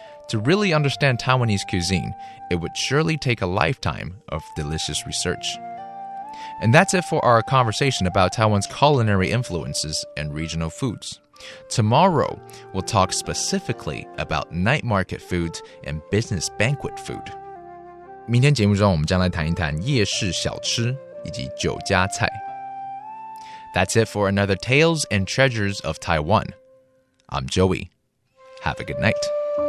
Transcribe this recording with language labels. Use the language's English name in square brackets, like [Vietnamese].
[English] To really understand Taiwanese cuisine, it would surely take a lifetime of delicious research. And that's it for our conversation about Taiwan's culinary influences and regional foods. Tomorrow, we'll talk specifically about night market foods and business banquet food. [Chinese] 明天节目中我们将来谈一谈夜市小吃以及酒家菜。 [English] That's it for another Tales and Treasures of Taiwan. I'm Joey. Have a good night.